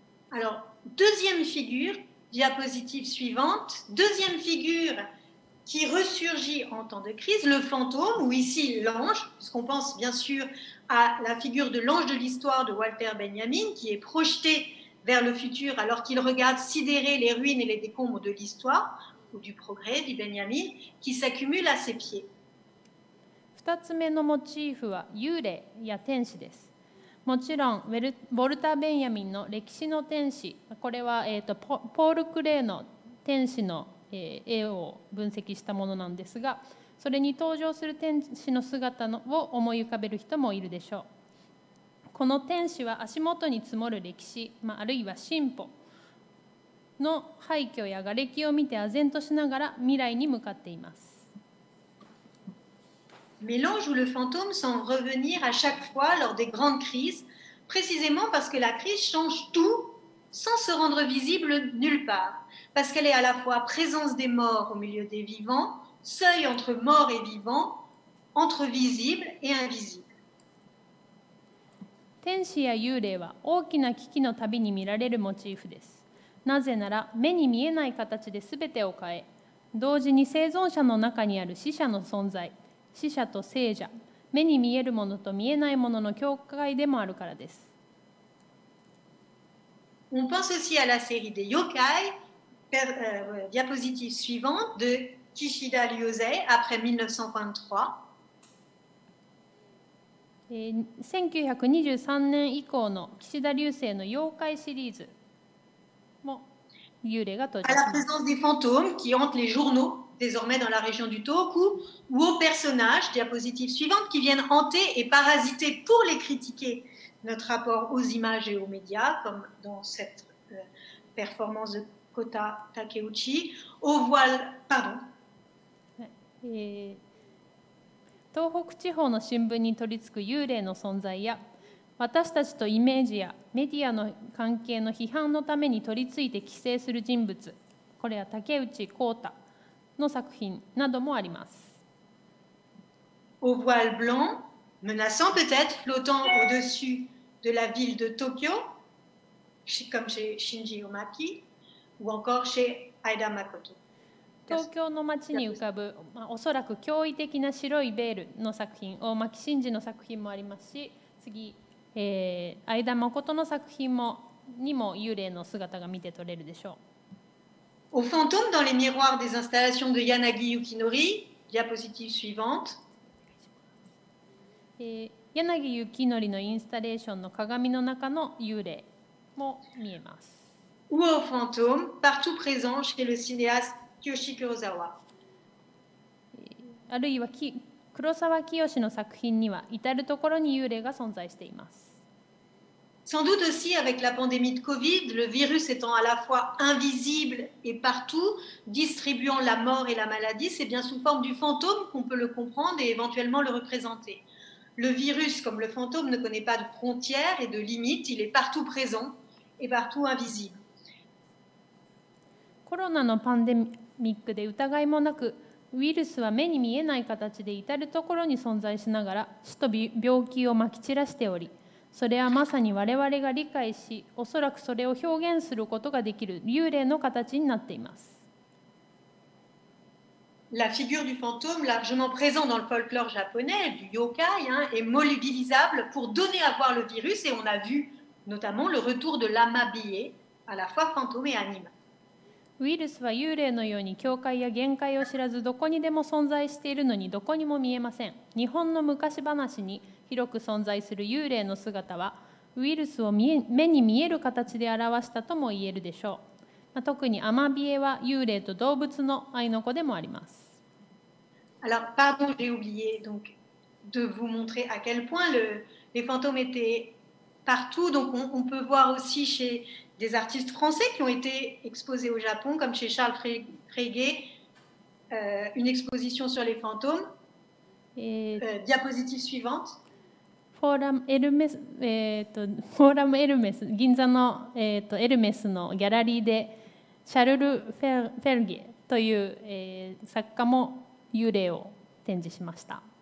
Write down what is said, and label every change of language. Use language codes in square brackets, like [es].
[fr] Alors, deuxième figure, diapositive suivante, deuxième figure qui ressurgit en temps de crise, le fantôme, ou ici l'ange, puisqu'on pense bien sûr à la figure de l'ange de l'histoire de Walter Benjamin, qui est projeté vers le futur alors qu'il regarde sidéré les ruines et les décombres de l'histoire, ou du progrès, dit Benjamin, qui s'accumule à ses pieds. [ja] 2つ目のモチーフは幽霊や天使です。もちろんウォルター・ベンヤミンの歴史の天使、これは、ポール・クレーの天使の、絵を分析したものなんですが、それに登場する天使の姿のを思い浮かべる人もいるでしょう。この天使は足元に積もる歴史、まあ、あるいは進歩の廃墟や瓦礫を見て唖然としながら未来に向かっています。 [fr] Mais l'ange ou le fantôme semble revenir à chaque fois lors des grandes crises, précisément parce que la crise change tout sans se rendre visible nulle part. Parce qu'elle est à la fois présence des morts au milieu des vivants, seuil entre morts et vivants, entre visible et invisible. [ja] 天使や幽霊は大きな危機の度に見られるモチーフです。なぜなら目に見えない形で全てを変え、同時に生存者の中にある死者の存在、死者と聖者、目に見えるものと見えないものの境界でもあるからです。 [fr] On pense aussi à la série des yokai, diapositive suivante de Kishida Ryosei après 1923. [ja] 1923年以降の岸田流星の妖怪シリーズも幽霊が登場します。 [fr] À la présence des fantômes qui hantent les journaux. Désormais dans la région du Tohoku, ou aux personnages, diapositive suivante, qui viennent hanter et parasiter pour les critiquer notre rapport aux images et aux médias, comme dans cette performance de Kota Takeuchi, aux voiles. Pardon. [ja] Tohoku 地方の新聞に取り付く幽霊の存在や、私たちとイメージやメディアの関係の批判のために取り付いて規制する人物、これは竹内康太。の作品などもあります。 [fr] Au voile blanc, menaçant peut-être, flottant au-dessus de la ville de Tokyo, comme chez Shinji Omaki, ou encore chez Aida Makoto. [ja] 東京の街に浮かぶ、まあ、おそらく驚異的な白いベールの作品、大巻真嗣の作品もありますし、次、アイダ・マコトの作品もにも幽霊の姿が見て取れるでしょう。 [fr] Aux fantômes dans les miroirs des installations de Yanagi Yukinori, diapositive suivante. [ja] Yanagi Yukinori の installation の鏡の中の幽霊も見えます。 [fr] Ou aux fantômes partout présents chez le cinéaste Kiyoshi Kurosawa. [ja] あるいは黒沢清の作品には至るところに幽霊が存在しています。 [fr] Sans doute aussi avec la pandémie de Covid, le virus étant à la fois invisible et partout, distribuant la mort et la maladie, c'est bien sous forme du fantôme qu'on peut le comprendre et éventuellement le représenter. Le virus, comme le fantôme, ne connaît pas de frontières et de limites, il est partout présent et partout invisible. [ja] Corona のパンデミックで疑いもなく、ウイルスは目に見えない形で至るところに存在しながら、死と病気をまき散らしており、それはまさに我々が理解し、おそらくそれを表現することができる幽霊の形になっています。 [fr] La figure du fantôme, largement présent dans le folklore japonais, du yokai, hein, est mobilisable pour donner à voir le virus, et on a vu notamment le retour de l'âme habillée, à la fois fantôme et anime. [ja] ウイルスは幽霊のように境界や限界を知らず、どこにでも存在しているのにどこにも見えません。日本の昔話に、広く存在する幽霊の姿はウイルスを目に見える形で表したとも言えるでしょう。まあ、特にアマビエは幽霊と動物の愛の子でもあります。 [fr] Alors, pardon, j'ai oublié donc de vous montrer à quel point les fantômes étaient partout. Donc, on peut voir aussi chez des artistes français qui ont été exposés au Japon, comme chez Charles Freguet, une exposition sur les fantômes. Diapositive suivante. [ja] フォーラムエルメス、フォーラムエルメス銀座の、エルメスのギャラリーでシャルル・フェルゲという、作家も幽霊を展示しました。